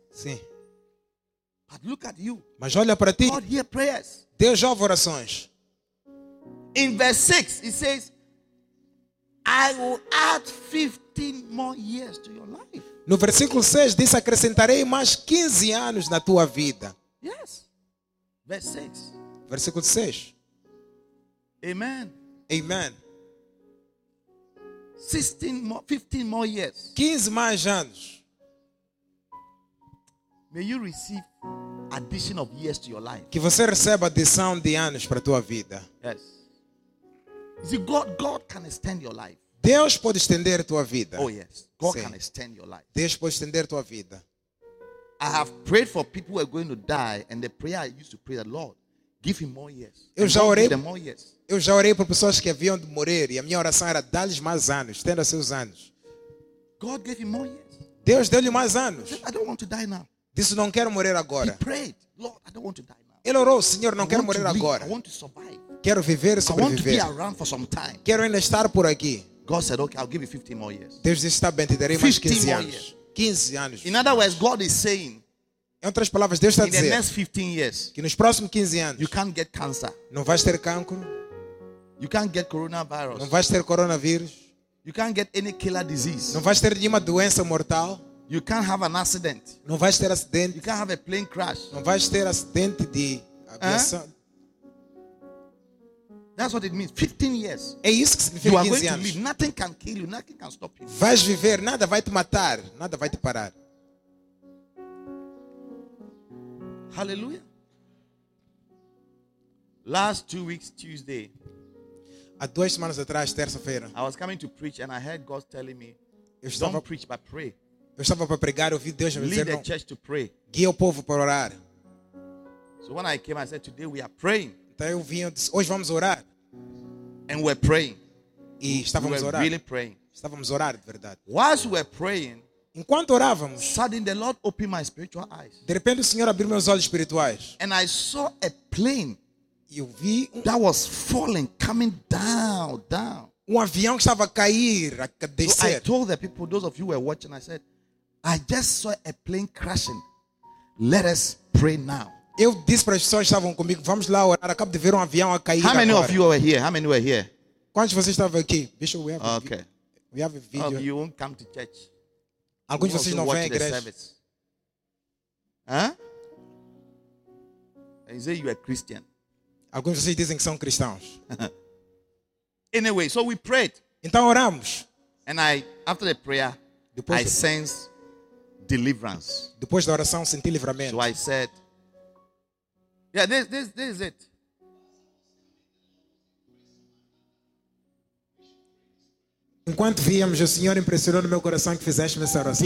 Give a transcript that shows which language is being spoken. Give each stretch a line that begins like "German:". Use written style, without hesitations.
Portuguese: Sim.
English: But look at you.
Portuguese: Mas olha para ti.
English: God hear prayers.
Portuguese: Deus ouve orações.
English: In verse 6, it says, I will add 15 more years to your life.
Portuguese: No versículo 6 diz, acrescentarei mais 15 anos na tua vida.
English: Yes. Verse 6.
Portuguese: Versículo 6. Amen. Amen.
English: 15 more years.
Portuguese: 15 mais anos.
English: May you receive addition of years to your life.
Portuguese: Que você receba adição de anos para a tua vida.
English: Yes. See, God can extend your life.
Portuguese: Deus pode estender a tua vida.
English: Oh yes, God
Portuguese: Sim.
English: can extend your life.
Portuguese: Deus pode estender a tua vida.
English: I have prayed for people who are going to die, and the prayer I used to pray, the Lord, give him more years.
Portuguese: Eu já orei.
English: Give them more years.
Portuguese: Eu já orei por pessoas que haviam de morrer, e a minha oração era dá-lhes mais anos, estenda seus anos.
English: God gave him more years.
Portuguese: Deus deu-lhe mais anos.
English: I don't want to die now.
Portuguese: Disse, não quero morrer agora.
English: He prayed, Lord, I don't want to die now.
Portuguese: Ele orou, Senhor, não quero morrer agora.
English: I want to survive.
Portuguese: Quero viver e sobreviver.
English: I want to be around for some time.
Portuguese: Quero ainda estar por aqui.
English: God said, okay, I'll give you 15 more years.
Portuguese: Deus disse, está bem, te darei mais 15 anos. 15 anos.
English: In other words, God is saying,
Portuguese: em outras palavras, Deus está
English: in
Portuguese: dizer,
English: the next 15 years,
Portuguese: que nos próximos 15 anos,
English: you can't get cancer.
Portuguese: Não vais ter cancro.
English: You can't get coronavirus.
Portuguese: Não vais ter coronavírus.
English: You can't get any killer disease.
Portuguese: Não vais ter nenhuma doença mortal.
English: You can't have an accident.
Portuguese: Não vais ter acidente.
English: You can't have a plane crash.
Portuguese: Não vais ter acidente de aviação.
English: That's what it means. 15 years.
Portuguese: É isso que significa 15 anos.
English: You are going to live. Nothing can kill you. Nothing can stop you.
Portuguese: Vais viver. Nada vai te matar. Nada vai te parar. Hallelujah.
English: Last 2 weeks, Tuesday.
Portuguese: Há duas semanas atrás, terça-feira.
English: I was coming to preach and I heard God telling me,
Portuguese: estava,
English: don't preach, but pray.
Portuguese: Eu estava para pregar, ouvi Deus me dizer,
English: lead the church to pray.
Portuguese: Guia o povo para orar.
English: So when I came, I said, today we are praying.
Portuguese: Então eu vim, eu disse, hoje vamos orar.
English: And we're praying.
Portuguese: E estávamos
English: we're
Portuguese: orar.
English: Really praying.
Portuguese: Estávamos orar de verdade.
English: Whilst we're praying,
Portuguese: Enquanto orávamos,
English: suddenly the Lord opened my spiritual eyes.
Portuguese: De repente o Senhor abriu meus olhos espirituais.
English: And I saw a plane.
Portuguese: Eu vi
English: that was falling, coming down, down.
Portuguese: Um avião que estava a cair, a descer.
English: So I told the people, those of you who were watching, I said, I just saw a plane crashing. Let us pray now.
Portuguese: Eu disse para as pessoas que estavam comigo, vamos lá orar. Acabo de ver um avião a cair.
English: How many
Portuguese: agora.
English: Of you were here? How many were here?
Portuguese: Quantos de vocês estavam aqui?
English: Bishop, we have a okay. We have a video. Oh, you won't come to church.
Portuguese: Alguns de vocês não vêm à igreja. Hã?
English: You say you are Christian.
Portuguese: Alguns de vocês dizem que são cristãos.
English: Anyway, so we prayed.
Portuguese: Então oramos.
English: And I, after the prayer, I sense deliverance.
Portuguese: Depois da oração senti livramento.
English: So I said, yeah, this is it.
Portuguese: Enquanto víamos, o Senhor impressionou no meu coração que fizeste essa oração.